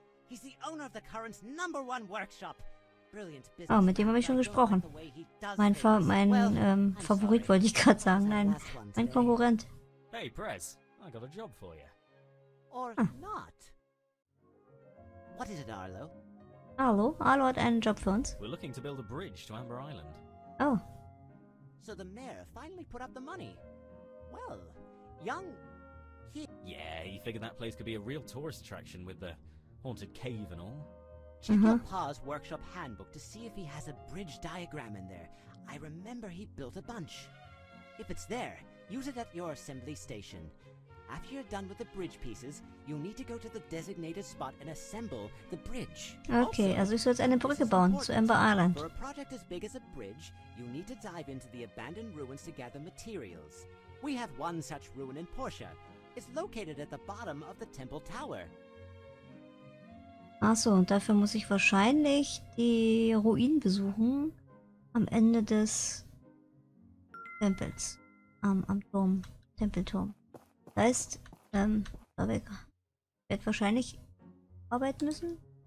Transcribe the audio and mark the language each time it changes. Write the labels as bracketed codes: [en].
[en] He's the owner of the current number one workshop. Brilliant business. [de] Oh, mit dem habe ich schon gesprochen. Favorit wollte ich gerade sagen. Nein, mein Konkurrent. [en] Hey, Prez, I got a job for you. Or not. What is it, Arlo? Arlo? [de] Arlo hat einen Job für uns. [en] We're looking to build a bridge to Amber Island. Oh. So the mayor finally put up the money. Well, young... Yeah, he figured that place could be a real tourist attraction with the haunted cave and all. Check your pa's workshop handbook to see if he has a bridge diagram in there. I remember he built a bunch. If it's there, use it at your assembly station. After you're done with the bridge pieces, you need to go to the designated spot and assemble the bridge. [de] Okay, also ich soll jetzt eine Brücke bauen zu Amber Island. [en] For a project as big as a bridge, you need to dive into the abandoned ruins to gather materials. We have one such ruin in Portia. It's located at the bottom of the Temple Tower. [de] Achso, und dafür muss ich wahrscheinlich die Ruinen besuchen am Ende des Tempels. Am Turm. Tempelturm. Heißt, ich werde wahrscheinlich arbeiten müssen.